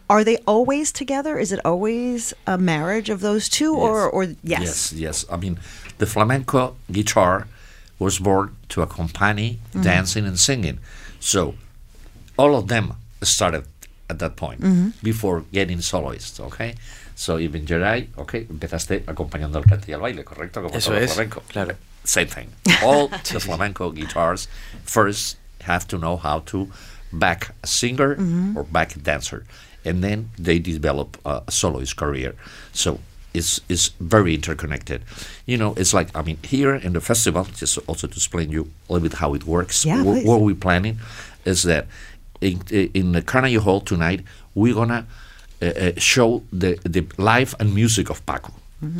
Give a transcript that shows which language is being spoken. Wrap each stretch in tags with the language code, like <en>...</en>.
<en>Are they always together? Is it always a marriage of those two? Yes. Yes. I mean, the flamenco guitar was born to accompany mm-hmm. dancing and singing. So all of them started at that point mm-hmm. before getting soloists, okay? So even Yerai, okay,</en> <es>empezaste acompañando al cantillo al baile, ¿correcto? Como eso todo es, flamenco. Claro.</es> <en>Same thing. All the flamenco guitars first have to know how to back a singer mm-hmm. or back a dancer, and then they develop a soloist career. So it's very interconnected. You know, it's like, I mean, here in the festival, just also to explain you a little bit how it works, what we're planning is that in the Carnegie Hall tonight, we're going to show the life and music of Paco. Mm-hmm.</en>